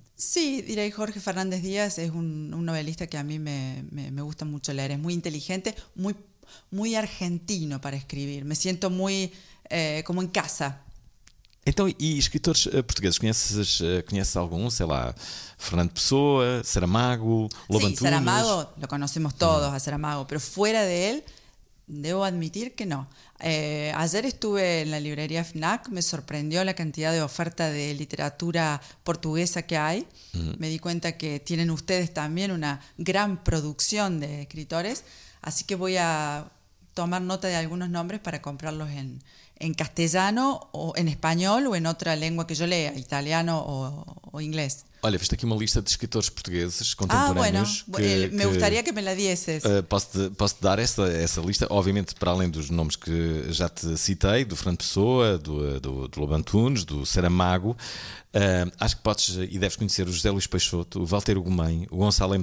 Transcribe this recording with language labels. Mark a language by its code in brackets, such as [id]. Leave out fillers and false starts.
[pt] Sim, direi Jorge Fernández Díaz. É um novelista que a mim [es] me gusta [pt] muito ler. É muito inteligente, muito argentino para escrever. Me sinto muito como em casa. Então, e escritores portugueses? Conheces algum? Sei lá, Fernando Pessoa, Saramago, Lobo Antunes? Sim, Saramago, lo conhecemos todos a Saramago, mas fora dele... [es] Debo admitir que no. Ayer estuve en la librería FNAC, me sorprendió la cantidad de oferta de literatura portuguesa que hay. Me di cuenta que tienen ustedes también una gran producción de escritores, así que voy a tomar nota de algunos nombres para comprarlos en castellano o en español o en otra lengua que yo lea, italiano o inglés. [pt] Olha, viste aqui uma lista de escritores portugueses contemporâneos. [es] Ah, bueno, me gostaria que me la dieses. [pt] Posso-te dar essa lista, obviamente, para além dos nomes que já te citei, do Fernando Pessoa, do Lobo Antunes, do Saramago. Acho que podes e deves conhecer o José Luís Peixoto, o Valteiro Gomem, o Gonçalo M.